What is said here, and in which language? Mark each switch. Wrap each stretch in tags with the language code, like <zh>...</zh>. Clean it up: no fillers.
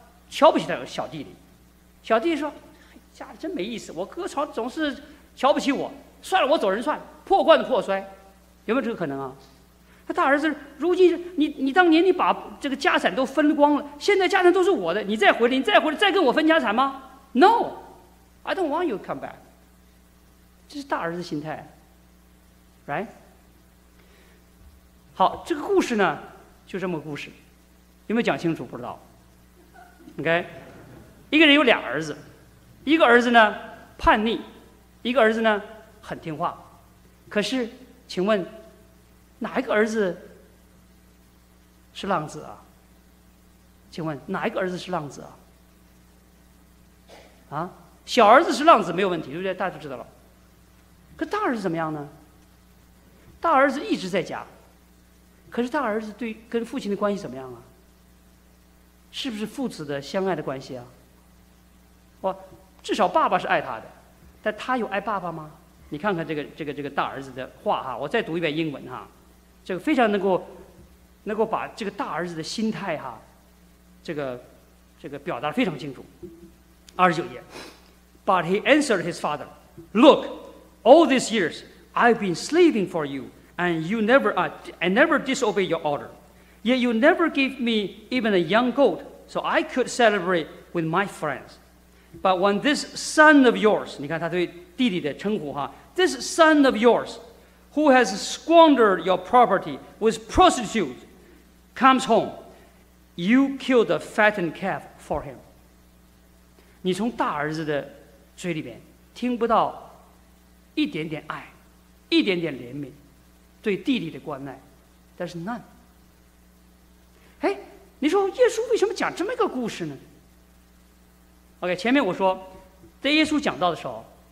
<zh>瞧不起他小弟弟。小弟弟说，家里真没意思，我哥常总是瞧不起我，算了，我走人算了，破罐子破摔，有没有这个可能啊？他大儿子，如今你当年你把这个家产都分光了，现在家产都是我的，你再回来，你再回来再跟我分家产吗？</zh> <en>No， I don't want you to come back。</en> <zh>这是大儿子心态，</zh> <en>right。</en> <zh>好，这个故事呢就这么个故事，有没有讲清楚？不知道。 OK， 一个人有俩儿子，一个儿子呢叛逆，一个儿子呢很听话。可是请问哪一个儿子是浪子啊？请问哪一个儿子是浪子啊？啊，小儿子是浪子没有问题，对不对？大家都知道了。可大儿子怎么样呢？大儿子一直在家，可是大儿子对跟父亲的关系怎么样啊？是不是父子的相爱的关系啊？哇，至少爸爸是爱他的，但他有爱爸爸吗？你看看这个大儿子的话哈，我再读一遍英文哈，这个非常能够把这个大儿子的心态哈，这个表达非常清楚。</zh> <en>29页 ，But he answered his father, "Look, all these years I've been slaving for you, and you never I never disobey your order. Yet you never gave me even a young goat so I could celebrate with my friends. But when this son of yours,"</en> <zh>你看他对弟弟的称呼哈</zh> <en>，"this son of yours, who has squandered your property with prostitutes, comes home, you kill the fattened calf for him."</en> <zh>你从大儿子的嘴里边听不到一点点爱，一点点怜悯，对弟弟的关爱，但是 none。 哎，你说耶稣为什么讲这么一个故事呢 ？OK， 前面我说，在耶稣讲到的时候。</zh>